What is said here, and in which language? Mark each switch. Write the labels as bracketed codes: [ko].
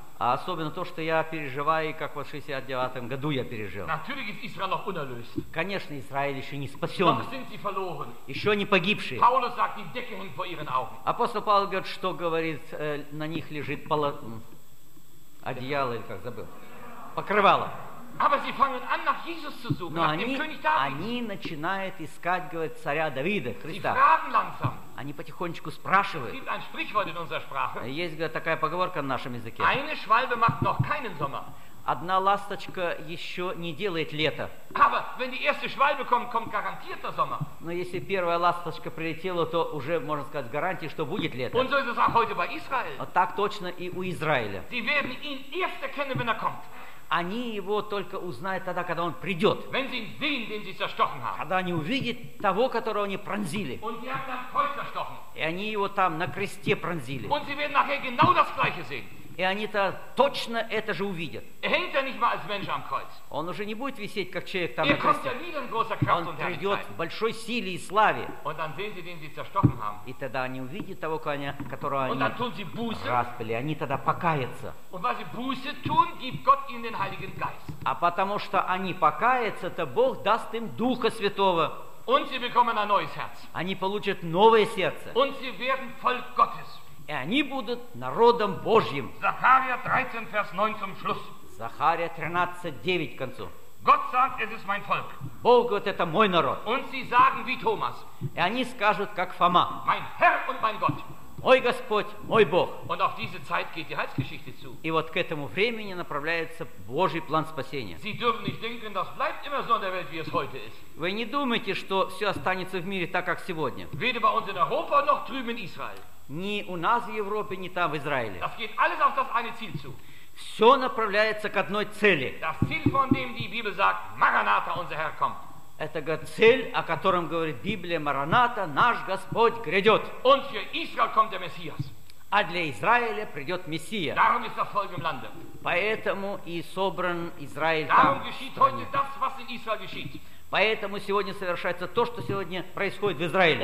[ru] А особенно то, что я переживаю, как вот в 69-м году я пережил. [de] Natürlich ist Israel noch unerlöst. [ru] Конечно, Израиль еще не спасен. [de] Noch sind sie verloren. [ru] Еще не погибшие. [de] Paulus sagt, die Decke hängt vor ihren Augen. [ru] Апостол Павел говорит, что говорит, на них лежит одеяло, или как забыл, покрывало. [de] Aber sie fangen an, nach Jesus zu suchen, [ru] Но [de] nach [ru] они, [de] dem König David. [ru] Они начинают искать, говорит, царя Давида, Христа. [de] Sie fragen langsam. [ru] Они потихонечку спрашивают. [de] Es gibt ein Sprichwort in unserer Sprache. [ru] Есть, говорит, такая поговорка на нашем языке. [de] Eine Schwalbe macht noch keinen Sommer. [ru] Одна ласточка еще не делает лето. [de] Aber wenn die erste Schwalbe kommt, kommt garantiert der Sommer. [ru] Но если первая ласточка прилетела, то уже, можно сказать, гарантия, что будет лето. [de] Und so ist es auch heute bei Israel. [ru] Вот так точно и у Израиля. [de] Sie werden ihn erst erkennen, wenn er kommt. [ru] Они его только узнают тогда, когда он придет. [de] Wenn sie ihn sehen, den sie zerstochen haben. [ru] Когда они увидят того, которого они пронзили. [de] Und sie haben das Kreuz zerstochen. [ru] И они его там на кресте пронзили. [de] Und sie werden nachher genau das Gleiche sehen. [ru] И они-то точно это же увидят. [de] Er hängt ja nicht mehr als Mensch am Kreuz. [ru] Он уже не будет висеть, как человек там [de] er [ru] на кресте. [de] Kommt ja wieder in großer Kraft [ru] он придет в большой силе и славе. [de] Und dann sehen sie, den sie zerstochen haben. [ru] И тогда они увидят того, которого они распяли. Они тогда покаятся. [de] Und was sie Buße tun, gibt Gott ihnen den Heiligen Geist. [ru] А потому что они покаятся, то Бог даст им Духа Святого. [de] Und sie bekommen ein neues Herz. [ru] Они получат новое сердце. [de] Und sie werden Volk Gottes. [ru] И они будут народом Божьим. [de] Захария 13, vers 9 zum Schluss. [ru] Захария 13, 9 к концу. [de] Gott sagt, es ist mein Volk. [ru] Бог говорит, это мой народ. [de] Und sie sagen, wie Thomas. [ru] И они скажут, как Фома. [de] Mein Herr und mein Gott. [ru] Мой Господь, мой Бог. [de] Und auf diese Zeit geht die Heilsgeschichte zu. [ru] И вот к этому времени направляется Божий план спасения. [de] Sie dürfen nicht denken, das bleibt immer so in der Welt, wie es heute ist. [ru] Вы не думайте, что все останется в мире так, как сегодня. [de] Weder bei uns in Europa noch drüben in Israel. [ru] Ни у нас в Европе, ни там в Израиле. [de] Das geht alles auf das eine Ziel zu. [ru] Все направляется к одной цели. [de] Das Ziel, von dem die Bibel sagt, Maranatha, unser Herr kommt. [ru] Это цель, о котором говорит Библия, Мараната, наш Господь грядет. [de] Und für Israel kommt der Messias. [ru] А для Израиля придет Мессия. [de] Darum ist das Volk im Lande. [ru] Поэтому и собран Израиль [de] Darum [ru] там. [de] Darum geschieht heute das, was in Israel geschieht. [ru] Поэтому сегодня совершается то, что сегодня происходит в Израиле.